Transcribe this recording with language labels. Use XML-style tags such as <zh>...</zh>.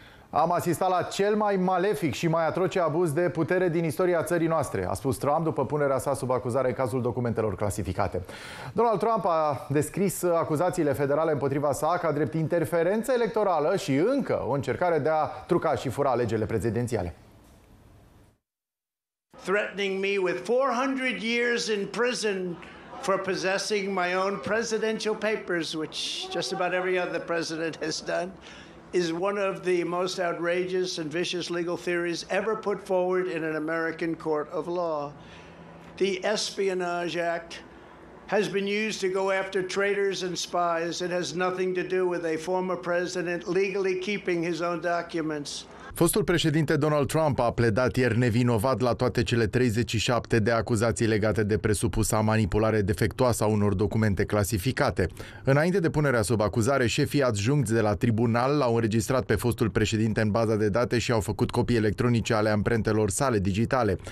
<ro>Am asistat la cel mai malefic și mai atroce abuz de putere din istoria țării noastre, a spus Trump după punerea sa sub acuzare în cazul documentelor clasificate. Donald Trump a descris acuzațiile federale împotriva sa ca drept interferență electorală și încă o încercare de a truca și fura alegerile prezidențiale.</ro> <en>Threatening me with 400 years in prison for possessing my own presidential papers, which just about every other president has done, is one of the most outrageous and vicious legal theories ever put forward in an American court of law. The Espionage Act has been used to go after traitors and spies. It has nothing to do with a former president legally keeping his own documents.</en> <ro>Fostul președinte Donald Trump a pledat ieri nevinovat la toate cele 37 de acuzații legate de presupusa manipulare defectuoasă a unor documente clasificate. Înainte de punerea sub acuzare, șefii adjuncți de la tribunal l-au înregistrat pe fostul președinte în baza de date și au făcut copii electronice ale amprentelor sale digitale.</ro>